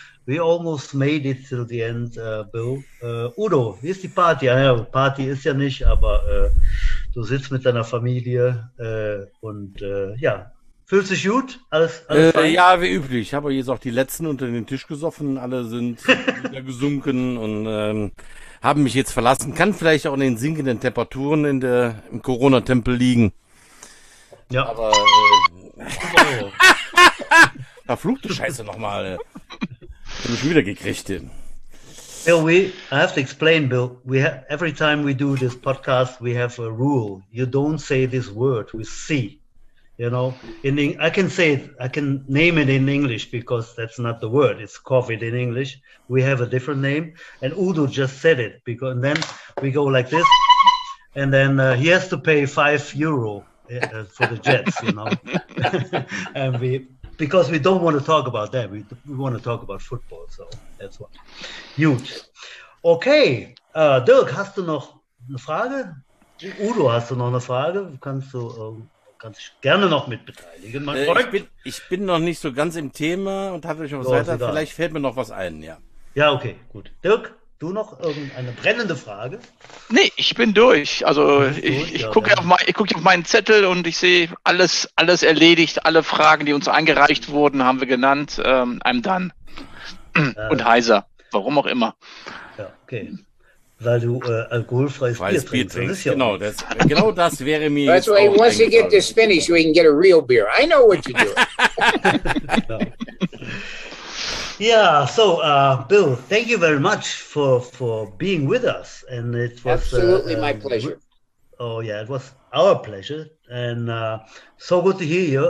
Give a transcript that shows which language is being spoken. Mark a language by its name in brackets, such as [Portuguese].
[English] We almost made it till the end, Bill. [German] Udo, wie ist die Party? Ja, Party ist ja nicht, aber du sitzt mit deiner Familie und fühlt sich gut? Alles fein? Ja, wie üblich. Ich habe jetzt auch die letzten unter den Tisch gesoffen. Alle sind wieder gesunken und haben mich jetzt verlassen. Kann vielleicht auch in den sinkenden Temperaturen im Corona-Tempel liegen. Ja. Aber verfluchte Scheiße nochmal. Ich habe mich wieder gekriegt. [English] Bill, I have to explain, Bill. We every time we do this podcast, we have a rule. You don't say this word with C. You know, I can name it in English because that's not the word. It's COVID in English. We have a different name. And Udo just said it and then we go like this. And then he has to pay €5 for the Jets, you know. And because we don't want to talk about that. We want to talk about football. So that's what. Huge. Okay. [German] Dirk, hast du noch eine Frage? Udo, hast du noch eine Frage? Kannst du. Kannst gerne noch mit beteiligen, mein Freund. Ich bin noch nicht so ganz im Thema und hatte euch noch was weiter. Vielleicht fällt mir noch was ein, ja. Ja, okay, gut. Dirk, du noch irgendeine brennende Frage? Nee, ich bin durch. Also ich gucke auf meinen Zettel und ich sehe alles erledigt. Alle Fragen, die uns eingereicht wurden, haben wir genannt. [English] I'm done. [German] Und heiser. Warum auch immer. Ja, okay. Weil du alkoholfreies Bier trinkst. Das ist ja genau, das, genau das wäre mir. [English] That's why right, once you get this finished, we can get a real beer. I know what you do. Yeah, so Bill, thank you very much for being with us. And it was absolutely my pleasure. It was our pleasure. And so good to hear you.